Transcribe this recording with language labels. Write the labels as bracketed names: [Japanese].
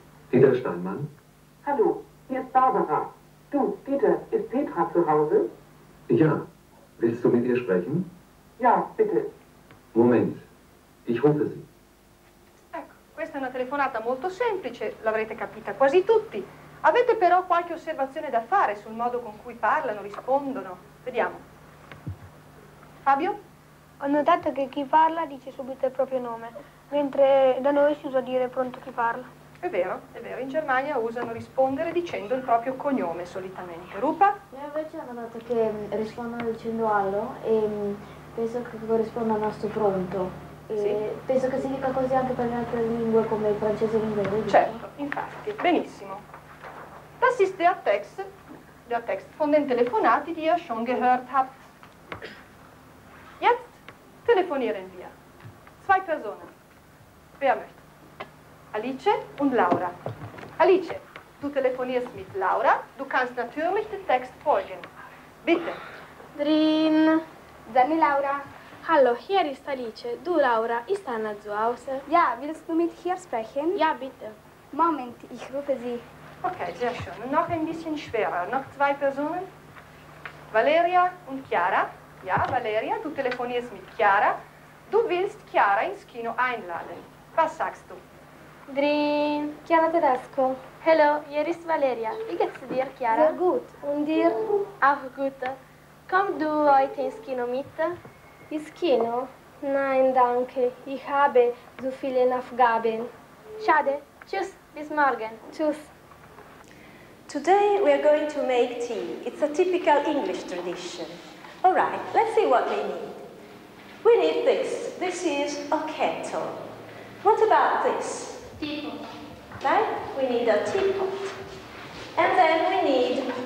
[German] Dieter Steinmann. Hallo, hier ist Barbara. Du, Dieter, ist Petra zu Hause? Ja. Willst du mit ihr sprechen? Ja, bitte. Moment, ich rufe sie. [Italian] Ecco, questa è una telefonata molto semplice, l'avrete capita quasi tutti. Avete però qualche osservazione da fare sul modo con cui parlano, rispondono? Vediamo. Fabio? Ho notato che chi parla dice subito il proprio nome, mentre da noi si usa dire pronto chi parla. È vero, in Germania usano rispondere dicendo il proprio cognome solitamente. Rupa? Io invece hanno detto che rispondono dicendo allo e penso che corrisponda al nostro pronto. E sì? Penso che significa così anche per le altre lingue come il francese e l'inglese. Certo, dico. Infatti. Benissimo. [German] Das ist der Text von den Telefonaten, die ihr schon gehört habt. Jetzt telefonieren wir. Zwei Personen. Wer möchte? Alice und Laura. Alice, du telefonierst mit Laura. Du kannst natürlich den Text folgen. Bitte. Drin. Zanni Laura. Hallo, hier ist Alice. Du, Laura, ist Anna zu Hause? Ja, willst du mit hier sprechen? Ja, bitte. Moment, ich rufe sie. Okay, sehr schön. Noch ein bisschen schwerer. Noch zwei Personen. Valeria und Chiara. Ja, Valeria, du telefonierst mit Chiara. Du willst Chiara ins Kino einladen. Was sagst du? Drin. Chiara Tedesco. Hello, hier ist Valeria. Wie geht's dir, Chiara? Sehr gut. Und dir? Auch gut. Komm du heute ins Kino mit? Ins Kino? Nein, danke. Ich habe so viele Aufgaben. Schade. Tschüss. Bis morgen. Tschüss. [English] Today we are going to make tea. It's a typical English tradition. All right, let's see what we need. We need this. This is a kettle. What about this? Teapot. Right? We need a teapot. And then we need